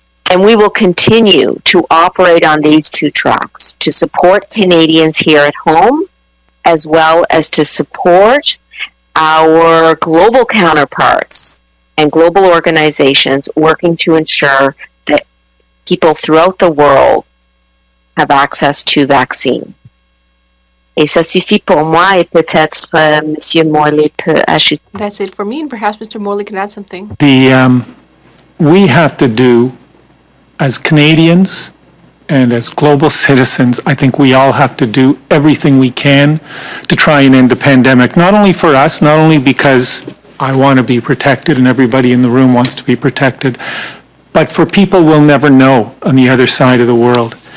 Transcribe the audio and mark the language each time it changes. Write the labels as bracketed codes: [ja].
[en] And we will continue to operate on these two tracks to support Canadians here at home, as well as to support our global counterparts and global organizations working to ensure that people throughout the world have access to vaccines. [fr] Et ça suffit pour moi, et peut-être Monsieur Morley peut ajouter. [en] That's it for me, and perhaps Mr. Morley can add something. We have to do, as Canadians and as global citizens, I think we all have to do everything we can to try and end the pandemic, not only for us, not only because I want to be protected and everybody in the room wants to be protected, but for people we'll never know on the other side of the world.